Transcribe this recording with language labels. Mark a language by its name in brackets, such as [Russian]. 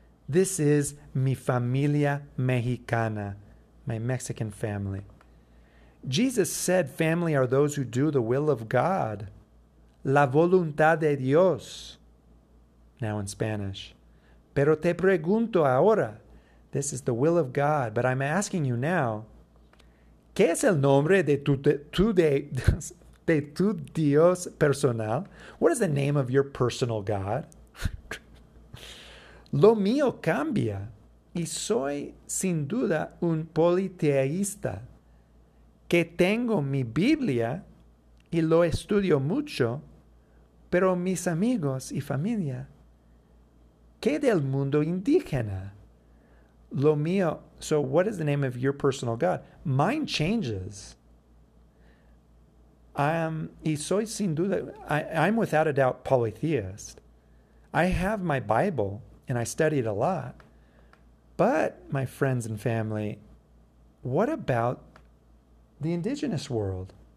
[English] This is [Spanish] mi familia mexicana, [English] my Mexican family. Jesus said, family are those who do the will of God. [Spanish] La voluntad de Dios. [English] Now in Spanish. [Spanish] Pero te pregunto ahora. [English] This is the will of God, but I'm asking you now. [Spanish] ¿Qué es el nombre de tu Dios personal? [English] What is the name of your personal God? [Spanish] Lo mío cambia y soy sin duda un politeísta. Que tengo mi Biblia y lo estudio mucho, pero mis amigos y familia, ¿qué del mundo indígena? Lo mío, [English] so what is the name of your personal God? Mine changes. [Spanish] Y soy sin duda, [English] I'm without a doubt polytheist. I have my Bible and I study it a lot. But my friends and family, what about the indigenous world?